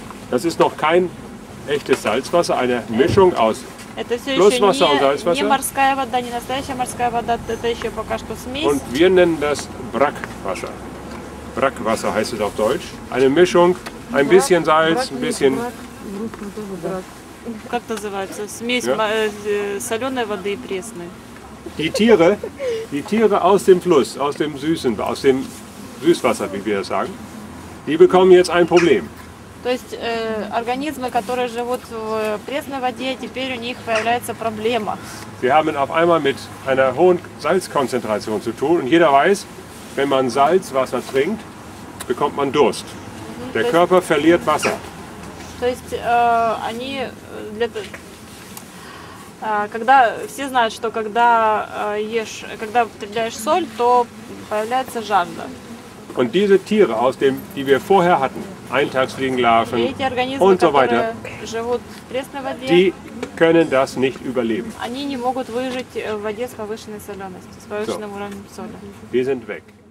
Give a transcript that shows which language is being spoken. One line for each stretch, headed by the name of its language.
German: Das ist noch kein echtes Salzwasser, eine Mischung aus.
Russian: Это все еще не морская вода, не настоящая морская вода, это еще пока что смесь.
German: Und wir nennen das Brackwasser. Brackwasser heißt es auf Deutsch. Eine Mischung, ein bisschen Salz, ein bisschen...
Russian: Как называется? Смесь соленой воды и пресной.
German: Die Tiere aus dem Fluss, aus dem Süßwasser, wie wir das sagen, die bekommen jetzt ein Problem.
Russian: То есть организмы, которые живут в пресной воде, теперь у них появляется проблема.
German: Wir haben auf einmal mit einer hohen Salzkonzentration zu tun und jeder weiß, wenn man Salzwasser trinkt, bekommt man Durst. Der Körper verliert Wasser.
Russian: То есть они для когда все знают, что когда ешь, когда потребляешь соль, то появляется жажда.
German: Und diese Tiere, aus dem, die wir vorher hatten, Eintagsfliegenlarven und so weiter, die können das nicht überleben. So. Wir sind weg.